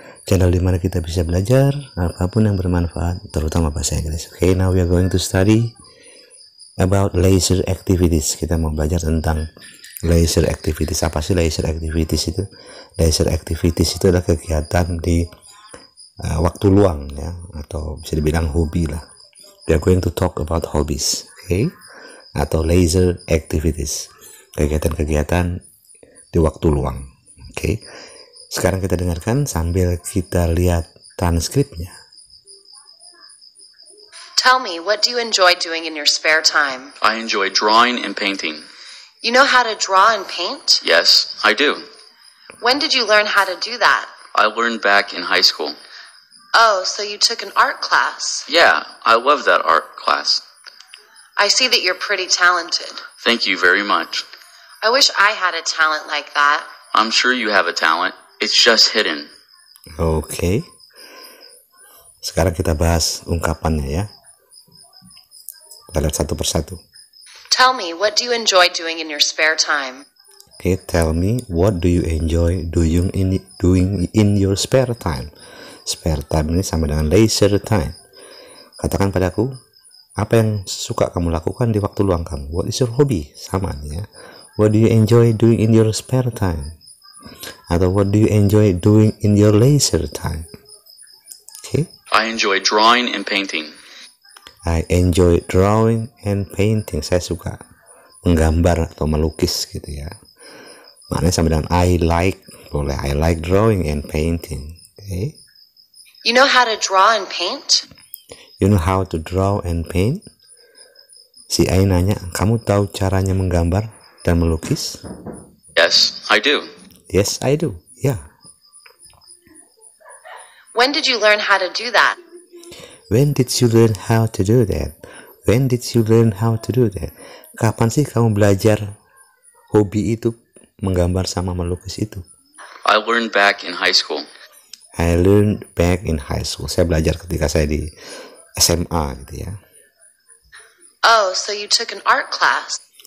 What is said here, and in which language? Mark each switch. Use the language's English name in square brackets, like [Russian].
[Indonesian] Channel di mana kita bisa belajar apapun yang bermanfaat, terutama bahasa Inggris. [English] Okay, now we are going to study about leisure activities. [Indonesian] Kita mau belajar tentang leisure activities. Apa sih leisure activities itu? Leisure activities itu adalah kegiatan di waktu luang, ya, atau bisa dibilang hobi lah. [English] We are going to talk about hobbies, okay? [Indonesian] Atau leisure activities, kegiatan-kegiatan di waktu luang, okay? Sekarang kita dengarkan sambil kita lihat transkripnya. [English] Tell me, what do you enjoy doing in your spare time? I enjoy drawing and painting. You know how to draw and paint? Yes, I do. When did you learn how to do that? I learned back in high school. Oh, so you took an art class? Yeah, I love that art class. I see that you're pretty talented. Thank you very much. I wish I had a talent like that. I'm sure you have a talent. It's just hidden. Okay. [Indonesian] Sekarang kita bahas ungkapannya, ya. Kita lihat satu persatu. [English] Tell me, what do you enjoy doing in your spare time? Okay, tell me, what do you enjoy doing in your spare time? [Indonesian] Spare time ini sama dengan leisure time. Katakan padaku, apa yang suka kamu lakukan di waktu luang kamu? [English] What is your hobby? [Indonesian] Sama nih, ya. [English] What do you enjoy doing in your spare time? Atau what do you enjoy doing in your leisure time? Okay. I enjoy drawing and painting. I enjoy drawing and painting. [Indonesian] Saya suka menggambar atau melukis gitu, ya. Maknanya sama dengan [English] I like, [Indonesian] boleh. [English] I like drawing and painting. Okay. You know how to draw and paint? You know how to draw and paint? [Indonesian] Si A nanya, kamu tahu caranya menggambar dan melukis? [English] Yes, I do. Yes, I do. Yeah. When did you learn how to do that? When did you learn how to do that? When did you learn how to do that? [Indonesian] Kapan sih kamu belajar hobi itu, menggambar sama melukis itu? [English] I learned back in high school. I learned back in high school. [Indonesian] Saya belajar ketika saya di SMA gitu, ya. [English] Oh, so you took an art class.